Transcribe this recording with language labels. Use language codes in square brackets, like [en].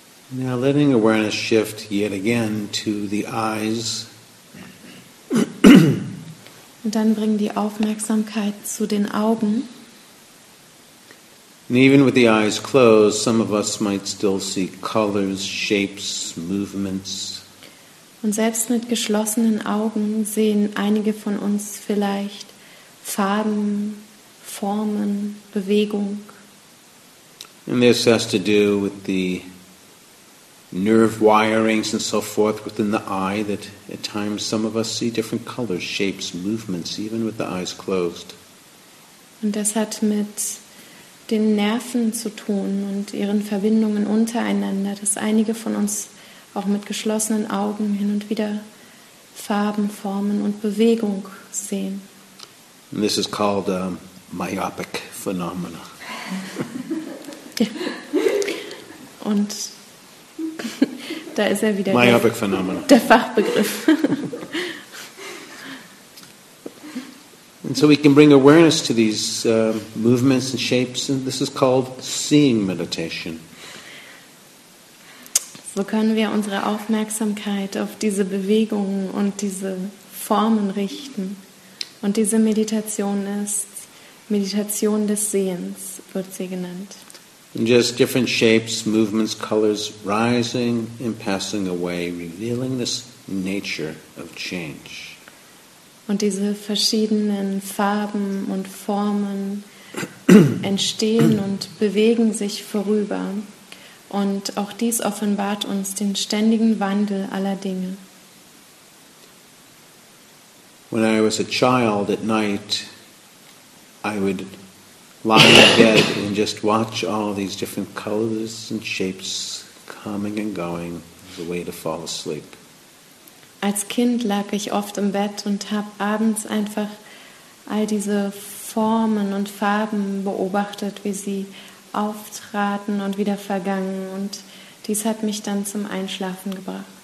[en] Now letting awareness shift yet again to the eyes. [de] Und dann bring die Aufmerksamkeit zu den Augen. [en] And even with the eyes closed, some of us might still see colors, shapes, movements. [de] Und selbst mit geschlossenen Augen sehen einige von uns vielleicht Farben, Formen, Bewegung. [en] And this has to do with the nerve wirings and so forth within the eye, that at times some of us see different colors, shapes, movements, even with the eyes closed. [de] Und das hat mit den Nerven zu tun und ihren Verbindungen untereinander, dass einige von uns auch mit geschlossenen Augen hin und wieder Farben, Formen und Bewegung sehen. [en] And this is called a myopic phenomena. [de] Und da ist er wieder [en] myopic phenomena. [de] Der Fachbegriff. [en] And so we can bring awareness to these movements and shapes, and this is called seeing meditation. [de] So können wir unsere Aufmerksamkeit auf diese Bewegungen und diese Formen richten. Und diese Meditation ist Meditation des Sehens, wird sie genannt. [en] And just different shapes, movements, colors rising and passing away, revealing this nature of change. [de] Und diese verschiedenen Farben und Formen entstehen und bewegen sich vorüber. Und auch dies offenbart uns den ständigen Wandel aller Dinge. [en] When I was a child at night, I would lie in bed and just watch all these different colors and shapes coming and going as a way to fall asleep. [de] Als Kind lag ich oft im Bett und habe abends einfach all diese Formen und Farben beobachtet, wie sie auftraten und wieder vergangen. Und dies hat mich dann zum Einschlafen gebracht.